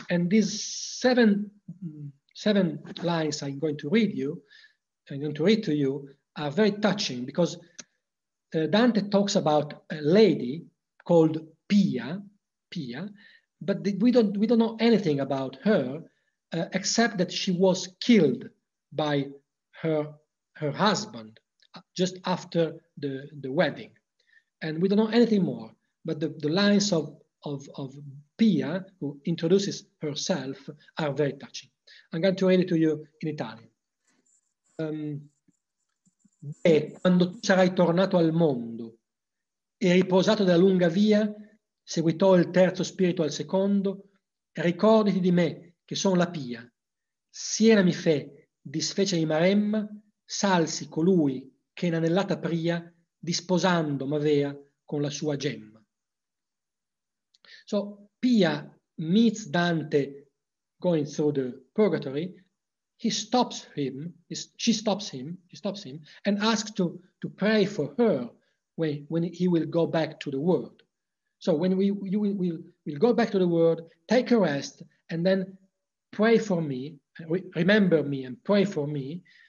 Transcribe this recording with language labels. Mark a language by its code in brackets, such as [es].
[en] And these seven lines I'm going to read to you, are very touching because Dante talks about a lady called Pia, but we don't know anything about her except that she was killed by her husband just after the wedding. And we don't know anything more, but the lines of Pia, who introduces herself, are very touching. I'm going to read it to you in Italian. [it] E quando tu sarai tornato al mondo e riposato da lunga via, seguitò il terzo spirito al secondo, ricorditi di me che sono la Pia. Siena mi fe, disfece di maremma, salsi colui che in anellata pria, disposando m'avea con la sua gemma. [en] So Pia meets Dante going through the purgatory. She stops him and asks to pray for her when he will go back to the world. So when we'll go back to the world, take a rest and then pray for me, remember me and pray for me.